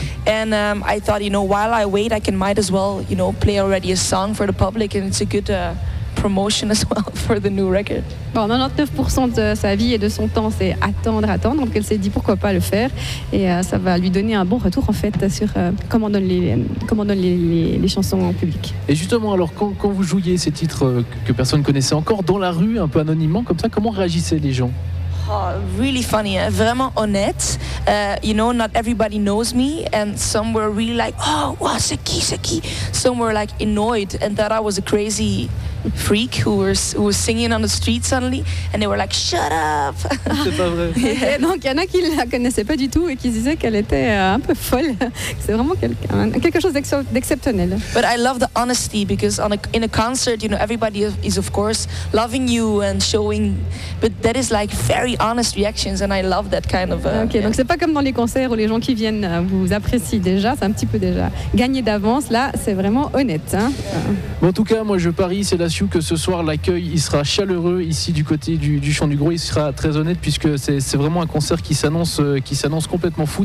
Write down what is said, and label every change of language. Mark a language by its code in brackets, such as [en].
[en] And I thought, you know, while I wait, I can might as well, you know, play already a song for the public, and it's a good promotion as well for the new record. [fr] Bon, 99% de sa vie et de son temps, c'est attendre. Donc elle s'est dit pourquoi pas le faire, et ça va lui donner un bon retour en fait sur comment on donne les chansons en public. Et justement, alors quand vous jouiez ces titres que personne connaissait encore dans la rue, un peu anonymement comme ça, comment réagissaient les gens? [en] Oh, really funny, hein? [fr] Vraiment honnête. [en] You know, not everybody knows me, and some were really like, oh, wow, [fr] c'est qui? [en] Some were like annoyed and thought I was a crazy freak who was singing on the street suddenly, and they were like, shut up. [fr] C'est pas vrai. Et donc il y en a qui la connaissaient pas du tout et qui disaient qu'elle était un peu folle. C'est vraiment quelque chose d'exceptionnel. [en] But I love the honesty, because in a concert, you know, everybody is of course loving you and showing, but that is like very honest reactions, and I love that kind of [fr] okay, yeah. Donc c'est pas comme dans les concerts où les gens qui viennent vous apprécient déjà, c'est un petit peu déjà gagné d'avance. Là c'est vraiment honnête, hein. [en] Yeah. [fr] Bon, en tout cas, moi je parie, c'est la que ce soir l'accueil il sera chaleureux ici du côté du Champ du Gros. Il sera très honnête, puisque c'est vraiment un concert qui s'annonce complètement fou.